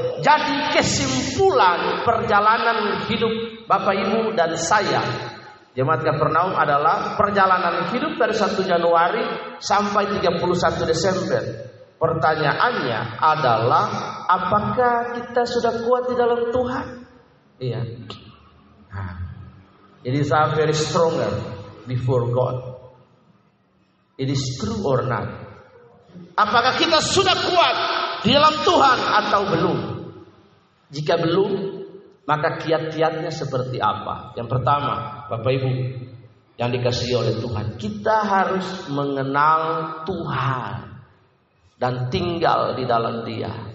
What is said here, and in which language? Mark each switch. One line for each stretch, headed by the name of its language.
Indonesian: Jadi kesimpulan perjalanan hidup Bapak Ibu dan saya, Jemaat Kapernaum, adalah perjalanan hidup dari 1 Januari sampai 31 Desember. Pertanyaannya adalah, apakah kita sudah kuat di dalam Tuhan? Iya. Nah,
English: It is very stronger before God. It is true or not?
Indonesian: Apakah kita sudah kuat di dalam Tuhan atau belum? Jika belum, maka kiat-kiatnya seperti apa? Yang pertama, Bapak Ibu yang dikasihi oleh Tuhan, kita harus mengenal Tuhan dan tinggal di dalam Dia.